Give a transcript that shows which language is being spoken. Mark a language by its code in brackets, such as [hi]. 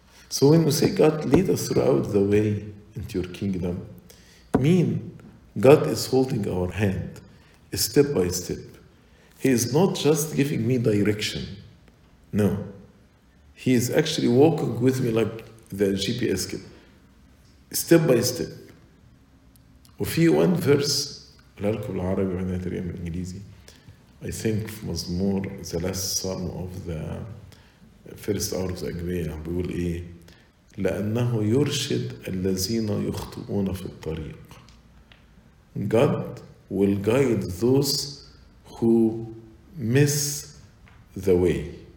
[en] So when we say God lead us throughout the way into your kingdom, mean God is holding our hand step by step. He is not just giving me direction. No. He is actually walking with me like the GPS kit, step by step. [ar] وفي [en] one verse, [ar] لألكم العربي وعندنا تريم الإنجليزي, [en] I think [ar] مزمور, [en] the last psalm of the [ar] first hour of the أجبية, بيقول إيه؟ لأنه يرشد الذين يخطئون في الطريق. [en] God will guide those who miss the way.